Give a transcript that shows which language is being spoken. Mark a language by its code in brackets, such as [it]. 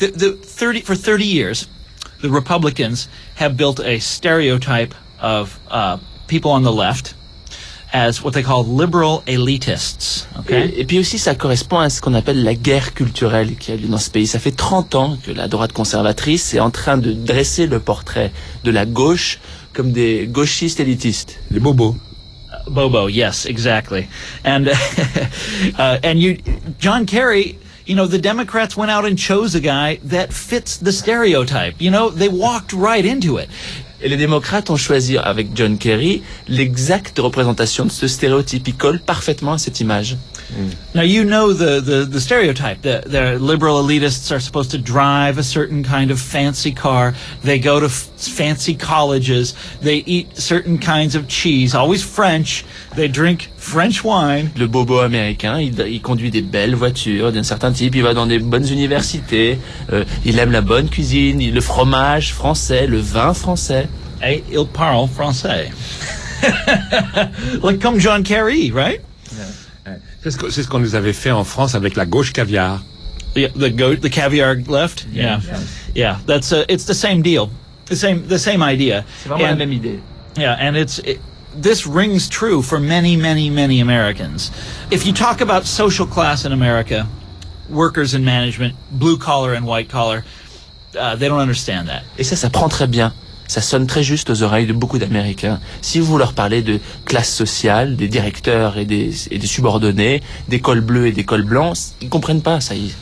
[en] For 30 years, the Republicans have built a stereotype of people on the left as what they call liberal elitists. Okay? [fr] Et puis aussi, ça correspond à ce qu'on appelle la guerre culturelle qui a lieu dans ce pays. Ça fait 30 ans que la droite conservatrice est en train de dresser le portrait de la gauche comme des gauchistes élitistes. Les bobos. [en] Bobo, yes, exactly. And and you, John Kerry... You know, the Democrats went out and chose a guy that fits the stereotype. You know, they walked right into it. [fr] Et les démocrates ont choisi avec John Kerry l'exacte représentation de ce stéréotype. Il colle parfaitement à cette image. [en] Now, you know the stereotype that the liberal elitists are supposed to drive a certain kind of fancy car. They go to fancy colleges. They eat certain kinds of cheese, always French. They drink French wine. [fr] Le bobo américain, il conduit des belles voitures d'un certain type. Il va dans des bonnes universités. Il aime la bonne cuisine, le fromage français, le vin français. Et il parle français. Like comme John Kerry, right? C'est ce qu'on nous avait fait en France avec la gauche caviar. [en] Yeah, the caviar left. Yeah. That's it's the same deal. The same idea. [fr] C'est vraiment la même idée. [en] Yeah, and this rings true for many, many, many Americans. If you talk about social class in America, workers and management, blue collar and white collar, they don't understand that. [fr] Et ça prend très bien. Ça sonne très juste aux oreilles de beaucoup d'Américains. Si vous leur parlez de classe sociale, des directeurs et des subordonnés, des cols bleus et des cols blancs, ils comprennent pas ça.